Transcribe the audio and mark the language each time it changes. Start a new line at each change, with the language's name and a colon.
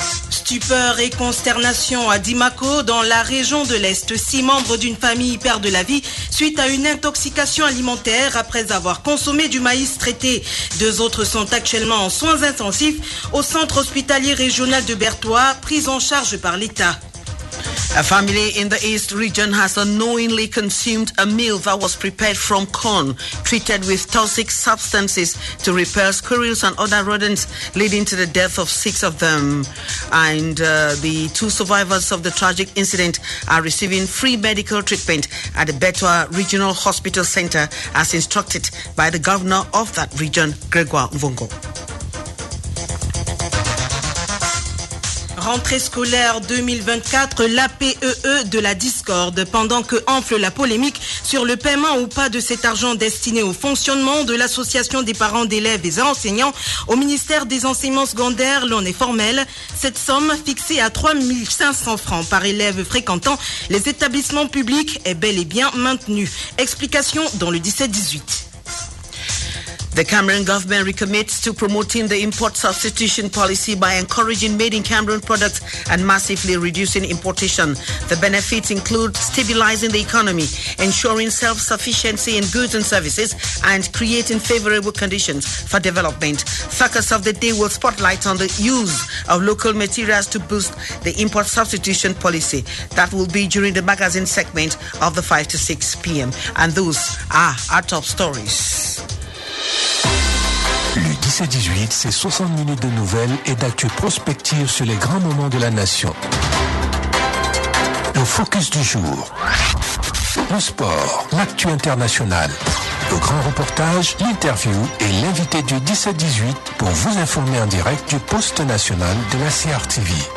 French: Stupeur et consternation à Dimako, dans la région de l'Est. 6 membres d'une famille perdent la vie suite à une intoxication alimentaire après avoir consommé du maïs traité. 2 autres sont actuellement en soins intensifs au centre hospitalier régional de Bertois, pris en charge par l'État.
English: A family in the East region has unknowingly consumed a meal that was prepared from corn, treated with toxic substances to repel squirrels and other rodents, leading to the death of 6 of them. And the 2 survivors of the tragic incident are receiving free medical treatment at the Betwa Regional Hospital Center, as instructed by the governor of that region, Gregoire Mvongo.
French: Rentrée scolaire 2024, l'APEE de la discorde. Pendant que enfle la polémique sur le paiement ou pas de cet argent destiné au fonctionnement de l'association des parents d'élèves et enseignants, au ministère des enseignements secondaires, l'on est formel. Cette somme, fixée à 3500 francs par élève fréquentant les établissements publics, est bel et bien maintenue. Explication dans le 17-18.
English: The Cameroon government recommits to promoting the import substitution policy by encouraging made in Cameroon products and massively reducing importation. The benefits include stabilizing the economy, ensuring self-sufficiency in goods and services, and creating favorable conditions for development. Focus of the day will spotlight on the use of local materials to boost the import substitution policy. That will be during the magazine segment of the 5 to 6 p.m. And those are our top stories.
French: Le 17-18, c'est 60 minutes de nouvelles et d'actu prospective sur les grands moments de la nation. Le focus du jour. Le sport, l'actu internationale. Le grand reportage, l'interview et l'invité du 17-18 pour vous informer en direct du poste national de la CRTV.